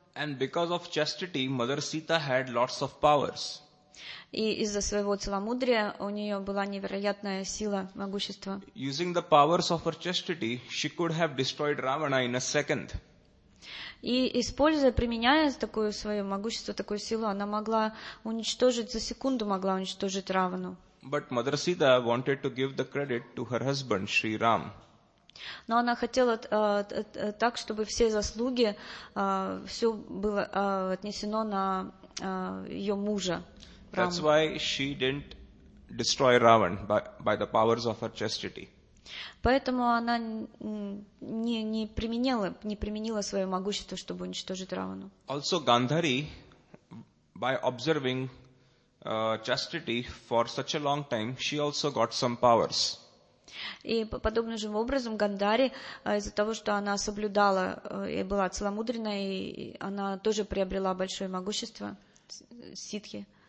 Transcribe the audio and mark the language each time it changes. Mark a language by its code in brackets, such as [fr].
[en] And because of chastity, Mother Sita had lots of powers. [ru] И из-за своего целомудрия у нее была невероятная сила, могущество. [en] Using the powers of her chastity, she could have destroyed Ravana in a second. [ru] И используя, применяя такое свое могущество, такую силу, она могла уничтожить, за секунду могла уничтожить Равану. [en] But Mother Sita wanted to give the credit to her husband, Sri Ram. [ru] Но она хотела так, чтобы все заслуги, все было отнесено на ее мужа. [en] That's why she didn't destroy Ravan by the powers of her chastity. [ru] Поэтому она не применила свое могущество, чтобы уничтожить Равану. [en] Also, Gandhari, by observing chastity for such a long time, she also got some powers. [ru] И подобным же образом Гандхари, из-за того, что она соблюдала и была целомудренной, она тоже приобрела большое могущество ситхи.